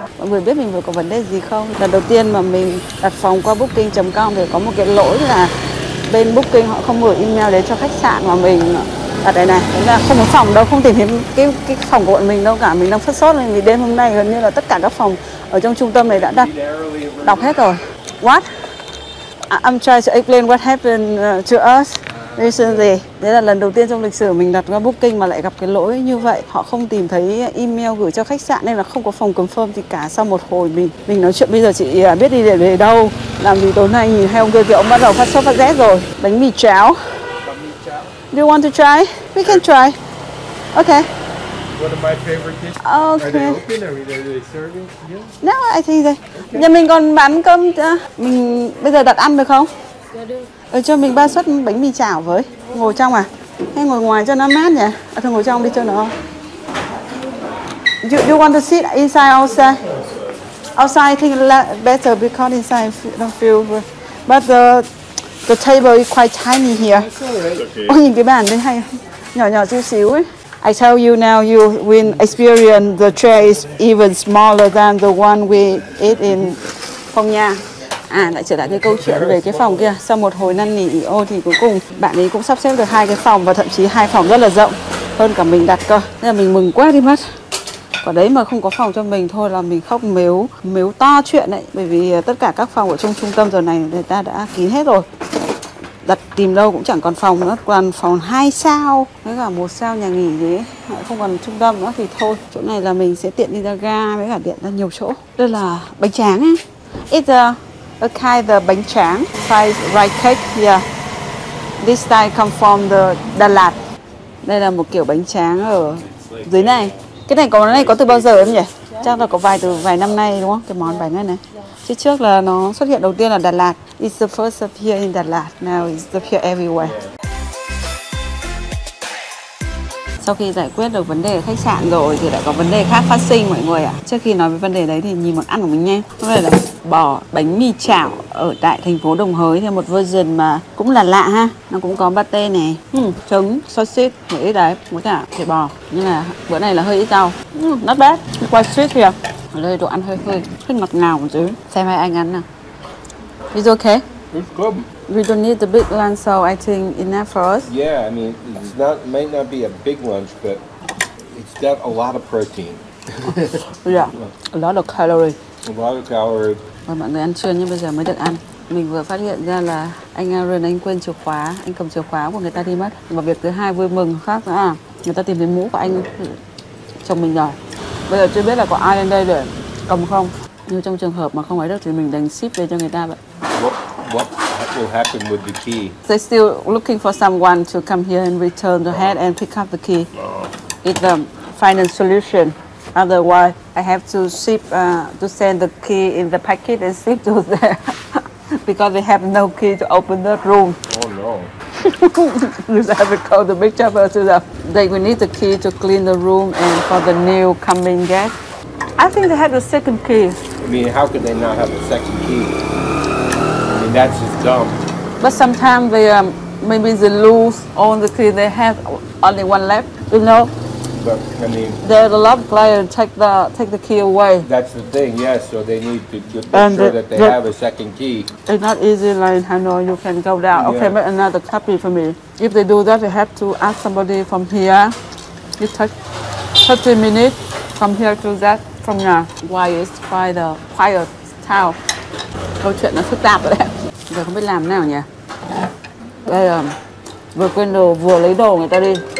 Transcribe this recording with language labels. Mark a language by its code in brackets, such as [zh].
[vi] Mọi người biết mình vừa có vấn đề gì không? Lần đầu tiên mà mình đặt phòng qua booking.com thì có một cái lỗi là bên booking họ không gửi email đến cho khách sạn mà mình ở đây này. Thế là không có phòng đâu, không tìm thấy cái phòng của bọn mình đâu cả. Mình đang phát sốt nên vì đêm hôm nay gần như là tất cả các phòng ở trong trung tâm này đã đặt đọc hết rồi. [en] What? I'm trying to explain what happened to us. Recently. [vi] Đấy là lần đầu tiên trong lịch sử mình đặt qua booking mà lại gặp cái lỗi như vậy. Họ không tìm thấy email gửi cho khách sạn nên là không có phòng confirm thì cả. Sau một hồi mình nói chuyện, bây giờ chị biết đi để về đâu, làm gì tối nay, nhìn hai ông kia thì ông bắt đầu phát sốt phát rét rồi. [en] Bánh mì cháo. Do you want to try? We can try. Okay. One of my favorite dishes. Okay. Are they open? Are they serving? Yeah. No, I think they. Okay. [vi] Giờ mình còn bán cơm. Mình bây giờ đặt ăn được không? Ừ, cho mình 3 suất bánh mì chảo với. Ngồi trong à? Hay ngồi ngoài cho nó mát nhỉ? À, thôi ngồi trong đi cho nó. [en] You want to sit inside outside? Outside I think better because inside don't feel good. But the table is quite tiny here. [vi] Ôi, nhìn cái bàn đấy hay nhỏ nhỏ chút xíu ấy. [en] I tell you now, you will experience the tray is even smaller than the one we eat in phòng nhà. [vi] À, lại trở lại cái câu chuyện về cái phòng kia. Sau một hồi năn nỉ ô thì cuối cùng bạn ấy cũng sắp xếp được hai cái phòng, và thậm chí hai phòng rất là rộng hơn cả mình đặt cơ. Thế là mình mừng quá đi mất. Còn đấy mà không có phòng cho mình thôi là mình khóc mếu mếu to chuyện đấy, bởi vì tất cả các phòng ở trong trung tâm giờ này người ta đã kín hết rồi. Đặt tìm đâu cũng chẳng còn phòng nữa, toàn phòng 2 sao với cả 1 sao nhà nghỉ gì ấy, không còn trung tâm nữa. Thì thôi, chỗ này là mình sẽ tiện đi ra ga với cả điện ra nhiều chỗ. Đây là bánh tráng ấy. [en] It's a kind of bánh tráng, size rice cake, yeah. This style come from the Đà Lạt. [vi] Đây là một kiểu bánh tráng ở dưới này. Cái này có từ bao giờ em nhỉ? Chắc là có từ vài năm nay đúng không? Cái món bánh này. Chứ trước là nó xuất hiện đầu tiên là Đà Lạt. [en] It's the first up here in Đà Lạt. Now it's up here everywhere. [vi] Sau khi giải quyết được vấn đề khách sạn rồi thì lại có vấn đề khác phát sinh mọi người ạ. À, trước khi nói về vấn đề đấy thì nhìn món ăn của mình nhé. Hôm nay là bò bánh mì chảo ở tại thành phố Đồng Hới, theo một version mà cũng là lạ ha. Nó cũng có pate này, trứng, sausage, một ít đấy, với cả thịt bò. Nhưng mà bữa này là hơi ít rau. [en] Not bad. Quite sweet [vi] kìa. Ở đây đồ ăn hơi ngọt ngào một chút. Xem hai anh ăn nào. [en] Is okay? It's good. We don't need the big lunch, so I think enough for us. Yeah, I mean, it's not might not be a big lunch, but it's got a lot of protein. Yeah, a lot of calories. A lot of calories. [vi] Và mọi người ăn trưa nhưng bây giờ mới được ăn. Mình vừa phát hiện ra là anh Aaron anh quên chìa khóa, anh cầm chìa khóa của người ta đi mất. Và việc thứ hai vui mừng khác nữa, người ta tìm thấy mũ của anh chồng mình rồi. Bây giờ chưa biết là có ai lên đây để cầm không. Nhưng trong trường hợp mà không ấy được thì mình đành ship về cho người ta vậy. [en] What will happen with the key? They're still looking for someone to come here and return the hat and pick up the key. It's the final solution. Otherwise, I have to ship to send the key in the packet and ship to there because they have no key to open the room. Oh no! We have to call the big chopper to them. They will need the key to clean the room and for the new coming guest. I think they have a second key. I mean, how could they not have a second key? That's just dumb. But sometimes they maybe they lose all the key, they have only one left, you know. But I mean, there's a lot of players take the key away. That's the thing, yes. So they need to make sure that they have a second key. It's not easy, like in Hanoi, you can go down. Yeah. Okay, make another copy for me. If they do that, they have to ask somebody from here. It takes 30 minutes from here to that from now. Why is by the quiet town? [vi] Câu chuyện nó phức tạp rồi đấy. Giờ không biết làm nào nhỉ. Đây là vừa quên đồ vừa lấy đồ người ta đi.